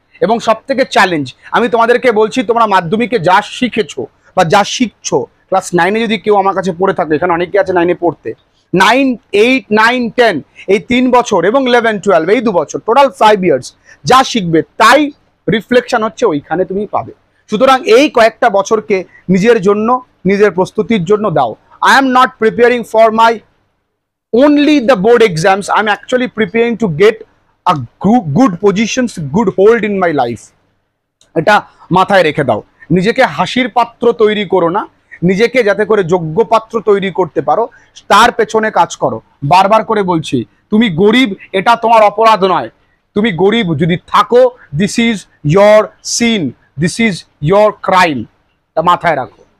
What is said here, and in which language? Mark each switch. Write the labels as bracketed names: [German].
[Bangla] এবং সব থেকে চ্যালেঞ্জ, আমি তোমাদেরকে বলছি, তোমরা মাধ্যমিকে যা শিখেছো বা যা শিখছো, ক্লাস নাইনে যদি কেউ আমার কাছে পড়ে থাকে, এখানে অনেকে আছে নাইনে পড়তে, 9, 8, 9, 10 এই 3 বছর এবং 11, 12 এই 2 বছর, টোটাল 5 ইয়ার্স যা শিখবে তাই রিফ্লেকশন হচ্ছে ওইখানে তুমি পাবে। সুতরাং এই কয়েকটা বছরকে নিজের জন্য, নিজের প্রস্তুতির জন্য দাও। [English] I am not preparing for my only the board exams. I am actually preparing to get a good positions, good hold in my life. [Bangla] এটা মাথায় রেখে দাও, নিজেকে হাসির পাত্র তৈরি করো না, নিজেকে যাতে করে যোগ্য পাত্র তৈরি করতে পারো তার পেছনে কাজ করো। বারবার করে বলছি, তুমি গরিব এটা তোমার অপরাধ নয়, তুমি গরিব যদি থাকো [English] this is your sin, this is your crime, [Bangla] এটা মাথায় রাখো।